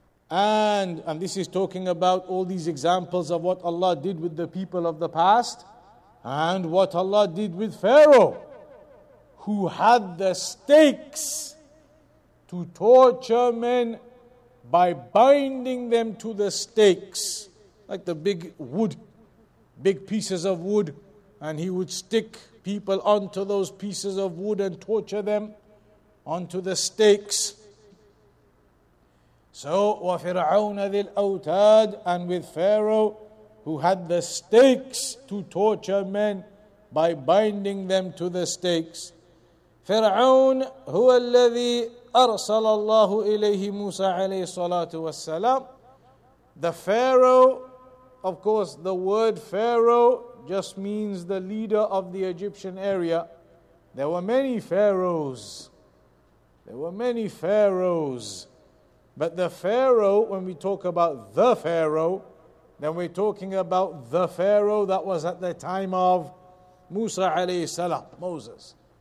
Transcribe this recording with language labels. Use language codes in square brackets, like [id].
[en] And this is talking about all these examples of what Allah did with the people of the past and what Allah did with Pharaoh, who had the stakes to torture men by binding them to the stakes, like the big pieces of wood, and he would stick people onto those pieces of wood and torture them onto the stakes. So, [ar] وَفِرْعَوْنَ ذِي الْأَوْتَادِ, [en] and with Pharaoh, who had the stakes to torture men by binding them to the stakes. [ar] فرعون هو الذي أرسل الله إليه موسى عليه الصلاة والسلام. [en] The Pharaoh, of course, the word Pharaoh just means the leader of the Egyptian area. There were many pharaohs. There were many pharaohs. But the Pharaoh, when we talk about the Pharaoh, then we're talking about the Pharaoh that was at the time of Musa عليه السلام, Moses.